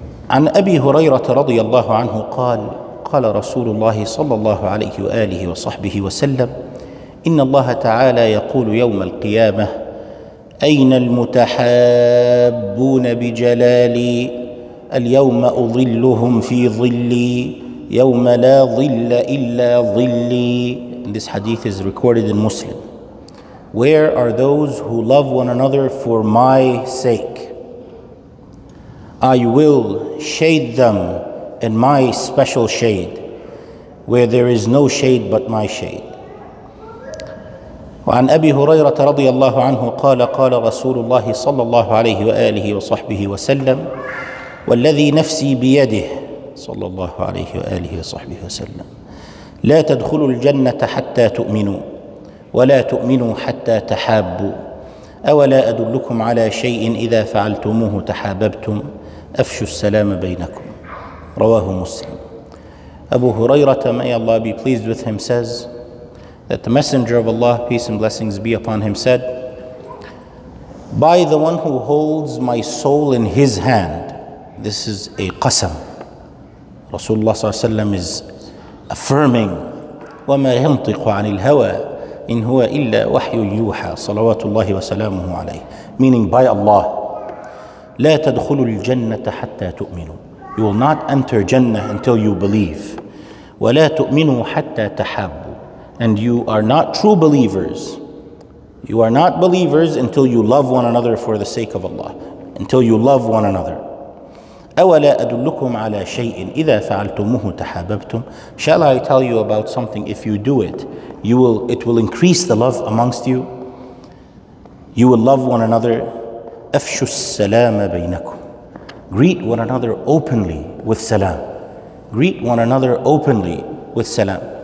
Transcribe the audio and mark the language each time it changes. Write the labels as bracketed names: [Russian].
[Arabic] عن أبي هريرة رضي الله عنه قال قال رسول الله صلى الله عليه وآله وصحبه وسلم إن الله تعالى يقول يوم القيامة أين المتحابون بجلالي اليوم أظلهم في ظلي يوم لا ظل إلا ظلي. [English] This hadith is recorded in Muslim. Where are those who love one another for my sake? I will shade them in my special shade, where there is no shade but my shade. [Arabic] وعن أبي هريرة رضي الله عنه قال قال رسول الله صلى الله عليه وآله وصحبه وسلم والذي نفسي بيده صلى الله عليه وآله وصحبه وسلم لا تدخلوا الجنة حتى تؤمنوا ولا تؤمنوا حتى تحابوا أولا أدلكم على شيء إذا فعلتموه تحاببتم أَفْشُ السَّلَامَ بَيْنَكُمْ رَوَاهُ مُسْلِمٌ. [English] Abu Hurayrah, may Allah be pleased with him, says that the Messenger of Allah, peace and blessings be upon him, said, by the one who holds my soul in his hand, this is a qasam. [Arabic] Rasulullah sallallahu alayhi wa sallam [English] is affirming, [Arabic] وَمَا يَنْطِقُ عَنِ الْهَوَىٰ إِنْ هُوَ إِلَّا وَحْيٌ يُوحَىٰ صَلَوَاتُ اللَّهِ وَسَلَامُهُ عَلَيْهِ, [English] meaning by Allah, [Arabic] لا تدخلوا الجنة حتى تؤمنوا. [English] You will not enter Jannah until you believe. [Arabic] ولا تؤمنوا حتى تحابوا. [English] And you are not true believers. You are not believers until you love one another for the sake of Allah. Until you love one another. [Arabic] أولا أدلكم على شيء إذا فعلتموه تحاببتم. [English] Shall I tell you about something? If you do it, it will increase the love amongst you. You will love one another. [Arabic] أَفْشُ السَّلَامَ بَيْنَكُمْ, [English] greet one another openly with salam. Greet one another openly with salam.